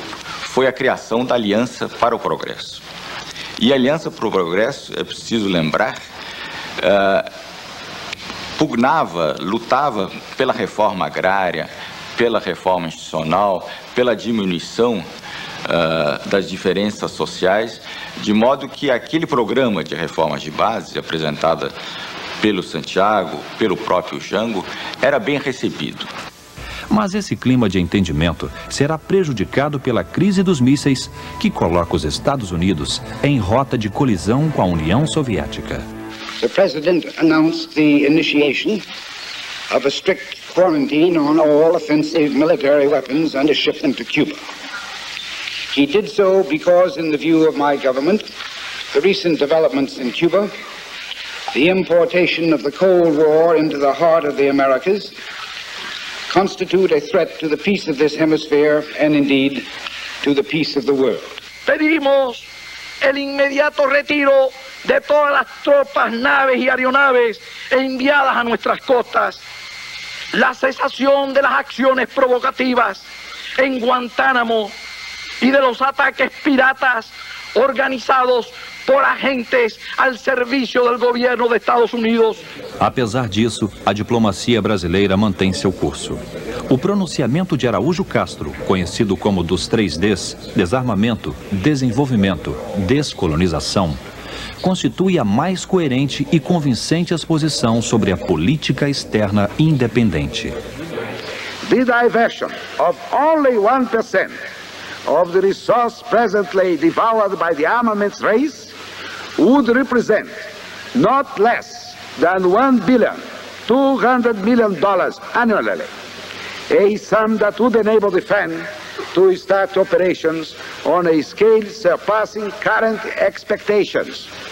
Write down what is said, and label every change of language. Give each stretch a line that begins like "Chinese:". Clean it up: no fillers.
Portuguese: Foi a criação da Aliança para o Progresso. E a Aliança para o Progresso, é preciso lembrar, pugnava, lutava pela reforma agrária, pela reforma institucional, pela diminuição das diferenças sociais, de modo que aquele programa de reformas de base apresentada pelo Santiago, pelo próprio Jango, era bem recebido. Mas esse clima de entendimento será prejudicado pela crise dos mísseis, que coloca os Estados Unidos em rota de colisão com a União Soviética.
English: The president announced the initiation of a strict quarantine on all offensive military weapons and a shipment to Cuba. He did so because, in the view of my government, the recent developments in Cuba, the importation of the Cold War into the heart of the Americas, constitute a threat to the peace of this hemisphere and indeed to the peace of the world.
Spanish: Pedimos el inmediato retiro de todas las tropas, naves y aeronaves enviadas a nuestras costas, la cesación de las acciones provocativas en Guantánamo y de los ataques piratas organizados por agentes al servicio del gobierno de Estados Unidos.
Portuguese: Apesar disso, a diplomacia brasileira mantém seu curso. O pronunciamento de Araújo Castro, conhecido como dos 3Ds, desarmamento, desenvolvimento, descolonização, constitui a mais coerente e convincente exposição sobre a política externa independente.
English: The diversion of only 1% of the resource presently devoured by the armaments race would represent not less than $1.2 billion annually, a sum that would enable the FAN to start operations on a scale surpassing current expectations.